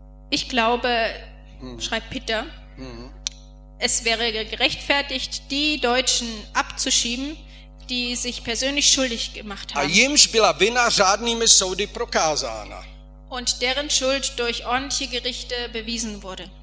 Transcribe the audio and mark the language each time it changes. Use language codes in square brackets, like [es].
[de] Ich glaube, schreibt Peter, es wäre gerechtfertigt, die Deutschen abzuschieben, die sich persönlich schuldig gemacht haben. [cs] A jimž byla vina řádnými soudy prokázána. [de] Und deren Schuld durch ordentliche Gerichte bewiesen wurde.